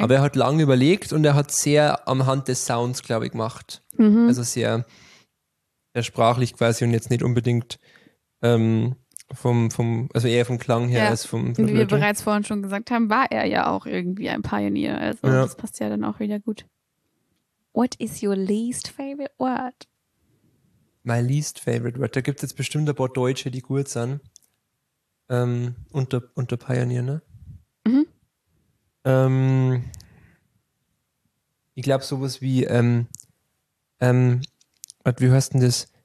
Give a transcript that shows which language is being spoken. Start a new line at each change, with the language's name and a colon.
German: Aber er hat lange überlegt und er hat sehr anhand des Sounds, glaube ich, gemacht. Mhm. Also sehr sprachlich quasi und jetzt nicht unbedingt also eher vom Klang her, ja, als vom wie Blöde. Wir bereits vorhin schon gesagt haben, war er ja auch irgendwie ein Pionier. Also ja. Das passt ja dann auch wieder gut.
English: What is your least favorite word? My least favorite word.
German: Da gibt es jetzt bestimmt ein paar Deutsche, die gut sind. Unter Pionier, ne? Mhm. Ich glaube, sowas wie, wie heißt denn das?